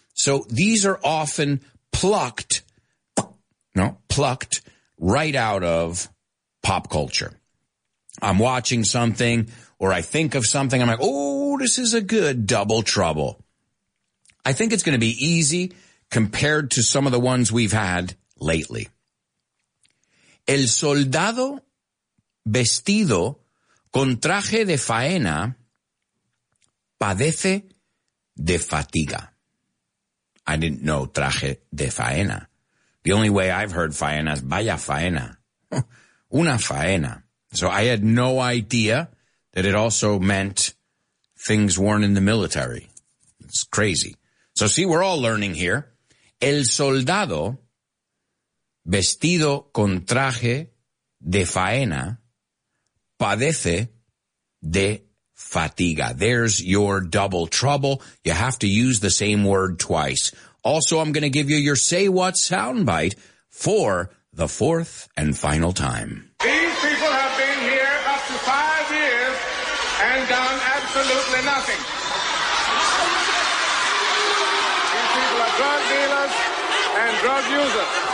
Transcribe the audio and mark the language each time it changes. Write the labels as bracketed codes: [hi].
[en] So these are often plucked right out of pop culture. I'm watching something or I think of something. I'm like, oh, this is a good double trouble. I think it's going to be easy compared to some of the ones we've had lately. [es] El soldado vestido con traje de faena padece de fatiga. [en] I didn't know [es] traje de faena. [en] The only way I've heard faena is [es] vaya faena. Una faena. [en] So I had no idea that it also meant things worn in the military. It's crazy. So see, we're all learning here. [es] El soldado vestido con traje de faena padece de fatiga. [en] There's your double trouble. You have to use the same word twice. Also, I'm going to give you your say what soundbite for the fourth and final time. These people have been here up to 5 years and done absolutely nothing. These people are drug dealers and drug users.